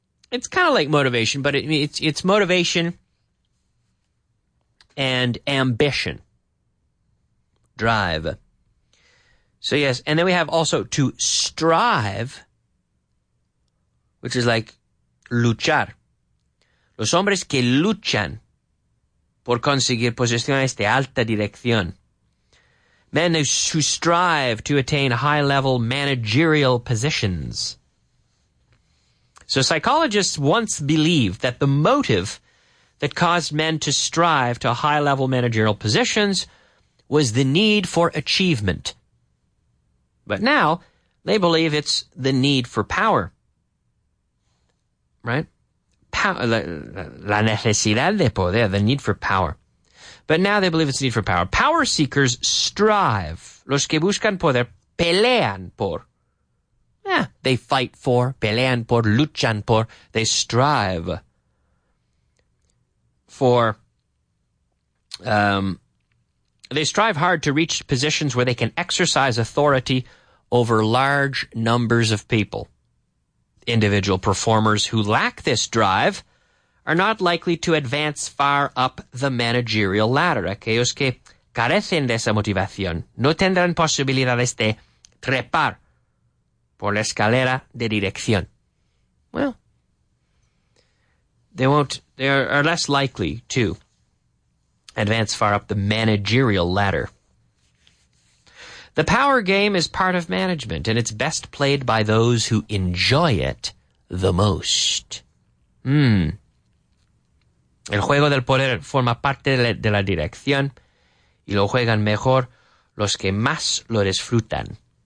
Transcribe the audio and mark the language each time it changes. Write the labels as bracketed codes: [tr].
[en] It's kind of like motivation, but it's motivation and ambition. Drive. So yes, and then we have also to strive, which is like luchar. [es] Los hombres que luchan por conseguir posiciones de alta dirección. [en] Men who strive to attain high-level managerial positions. So psychologists once believed that the motive that caused men to strive to high-level managerial positions was the need for achievement. But now, they believe it's the need for power. Right? [es] La necesidad de poder, [en] the need for power. But now they believe it's the need for power. Power seekers strive. [es] Los que buscan poder, pelean por. [en] Yeah, they fight for, [es] pelean por, luchan por. [en] They strive for... They strive hard to reach positions where they can exercise authority over large numbers of people. Individual performers who lack this drive are not likely to advance far up the managerial ladder. [es] Aquellos que carecen de esa motivación no tendrán posibilidades de trepar por la escalera de dirección. [en] Well, they are less likely to advance far up the managerial ladder. The power game is part of management, and it's best played by those who enjoy it the most. [es] El juego del poder forma parte de la dirección, y lo juegan mejor los que más lo disfrutan.